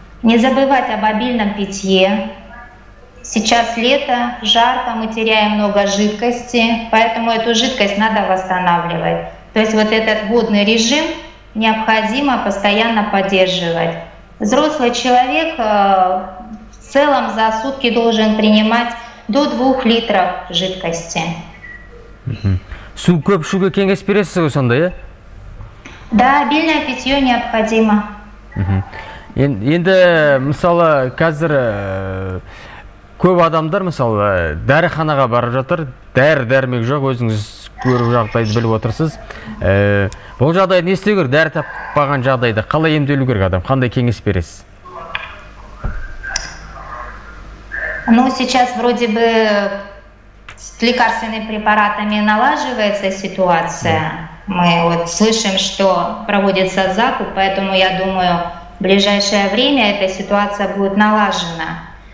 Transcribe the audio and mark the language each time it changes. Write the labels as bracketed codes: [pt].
[ru] Не забывать об обильном питье. Сейчас лето, жарко, мы теряем много жидкости, поэтому эту жидкость надо восстанавливать. То есть вот этот водный режим необходимо постоянно поддерживать. Взрослый человек в целом за сутки должен принимать до 2 литров жидкости. [kk] Су көп ішуге кеңес бересіз ғой сонда, иә? [ru] Да, обильное питье необходимо. [kk] Енді мысалы, қазір көп адамдар мысалы дәріханаға барып жатыр, дәрі-дәрмек жоқ, өзіңіз көріп жағдайды біліп отырсыз. Бұл жағдайда не істеу керек? Дәрі таппаған жағдайда қалай емделу керек адам? Қандай кеңес бересіз? [ru] Ну, сейчас вроде бы с лекарственными препаратами налаживается ситуация. Мы вот слышим, что проводится закуп, поэтому я думаю, в ближайшее время эта ситуация будет налажена.